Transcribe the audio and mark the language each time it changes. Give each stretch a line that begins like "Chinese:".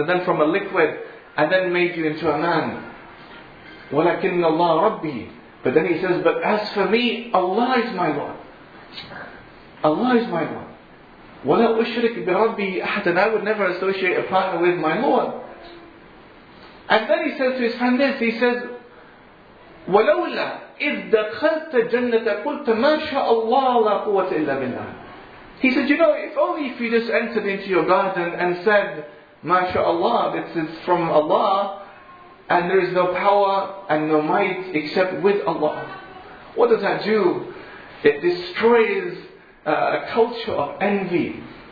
English: And then from a liquid, and then made you into a man.
Arabic: وَلَكِنَّ اللَّهَ رَبِّي.
English: But then he says, but as for me, Allah is my Lord. Allah is my Lord.
Arabic: وَلَا أُشْرِكْ بِرَبِّي أَحَدًا.
English: I would never associate a partner with my Lord. And then he says
Arabic: to his friend this, he says, وَلَوْلَا إِذْ دَخَلْتَ جَنَّةَ قُلْتَ مَا شَاءَ اللَّهُ لَا قُوَّةَ إِلَّا بِاللَّهِ.
English: He said, you know, if only if you just entered into your garden and said,
Arabic: مَا شَاءَ اللَّهُ,
English: it's from Allah, and there is no power and no might except with Allah. What does that do? It destroys a culture of envy.